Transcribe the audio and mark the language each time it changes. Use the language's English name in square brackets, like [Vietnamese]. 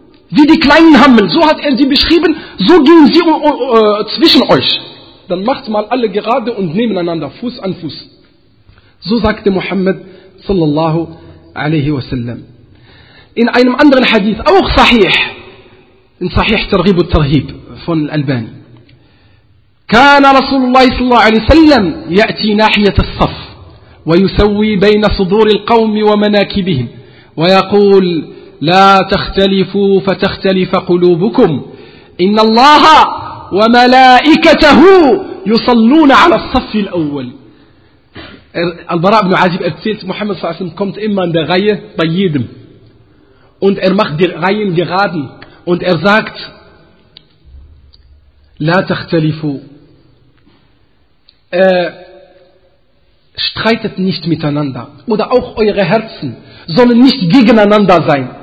[German] Wie die kleinen Hammel, so hat er sie beschrieben, so gehen sie zwischen euch. Dann macht mal alle gerade und nebeneinander, Fuß an Fuß. So sagte Muhammad, sallallahu alaihi wasallam. In einem anderen Hadith, auch Sahih, in Sahih Targhib al-Tarhib von Al-Albani. [Arabic] كان رسول الله صلى الله عليه وسلم يأتي ناحية الصف ويسوي بين صدور القوم ومناكبهم ويقول لا تختلفوا فتختلف قلوبكم إن الله وملائكته يصلون على الصف الأول. [German] البراء بن عازب erzählt, محمد [Arabic] صلى الله عليه وسلم [German] kommt immer in der Reihe bei jedem. Und er macht die Reihen geraden und er sagt, [Arabic] لا تختلفوا, [German] streitet nicht miteinander, oder auch eure Herzen sollen nicht gegeneinander sein.